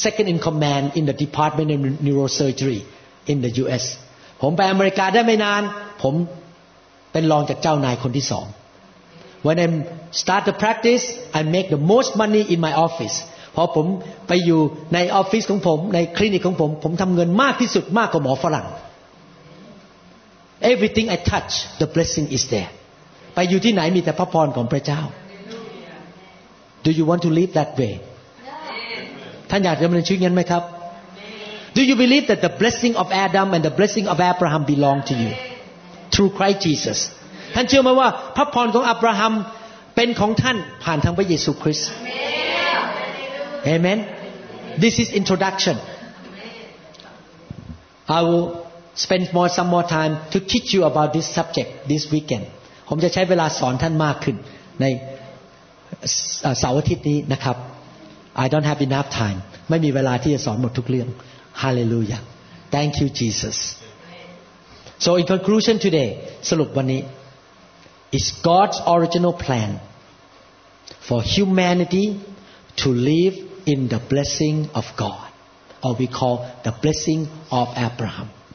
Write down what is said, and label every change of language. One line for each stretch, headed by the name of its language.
English: Second in command in the Department of Neurosurgery in the U.S.
Thai: ผมไปอเมริกาได้ไม่นานผมเป็นรองจากเจ้านายคนที่สอง
English: When I start the practice I make the most money in my office
Thai: พอผมไปอยู่ในออฟฟิศของผมในคลินิกของผมผมทำเงินมากที่สุดมากกว่าหมอฝรั่ง
English: Everything I touch the blessing is there
Thai: ไปอยู่ที่ไหนมีแต่พระพรของพระเจ้า
English: Do you want to live that way?
Thai: ท่านอยากดำเนินชีวิตงั้นไหมครับ
English: Do you believe that the blessing of Adam and the blessing of Abraham belong to you through Christ Jesus?
Thai: ท่านเชื่อไหมว่าพระพรของอับราฮัมเป็นของท่านผ่านทางพระเยซูคริสต์ Amen.
English: This is introduction. I will spend some more time to teach you about this subject this weekend.
Thai: ผมจะใช้เวลาสอนท่านมากขึ้นในเสาร์อาทิตย์นี้นะครับ
English: I don't have enough time.
Thai: ไม่มีเวลาที่จะสอนหมดทุกเรื่อง Hallelujah.
English: Thank you, Jesus. So in conclusion today,
Thai: สรุปวันนี้
English: is God's original plan for humanity to live in the blessing of God, or we call the blessing of Abraham.